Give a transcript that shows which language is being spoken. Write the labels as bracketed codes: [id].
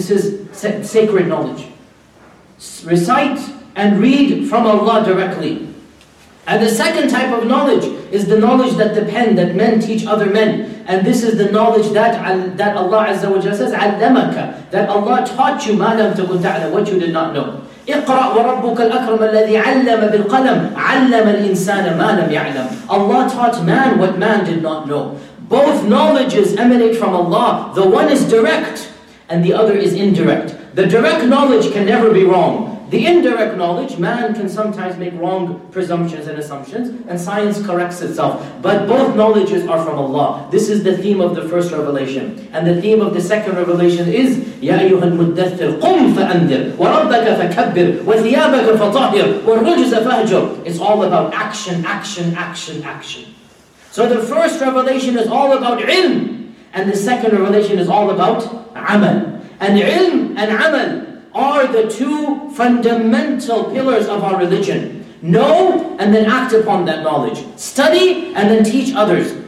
[en] This is sacred knowledge. Recite and read from Allah directly. And the second type of knowledge is the knowledge that depends, that men teach other men. And this is the knowledge that Allah Azza wa Jalla says, [ar] عَلَّمَكَ. [en] That Allah taught you [ar] مَا لَمْ تَكُنْ تَعْلَمْ, [en] what you did not know. [ar] اقرأ وربك الأكرم الذي علم بالقلم علم الإنسان ما لم يعلم. [en] Allah taught man what man did not know. Both knowledges emanate from Allah. The one is direct and the other is indirect. The direct knowledge can never be wrong. The indirect knowledge, man can sometimes make wrong presumptions and assumptions, and science corrects itself. But both knowledges are from Allah. This is the theme of the first revelation. And the theme of the second revelation is, [ar] يَا أَيُّهَا الْمُدَّثِّرْ قُمْ فَأَنذِرْ وَرَبَّكَ فَكَبِّرْ وَثِيَابَكَ فَطَهِّرْ وَالرُّجْزَ فَهْجُرْ. [en] It's all about action, action, action, action. So the first revelation is all about ilm, and the second revelation is all about amal. And ilm and amal are the two fundamental pillars of our religion. Know and then act upon that knowledge. Study and then teach others.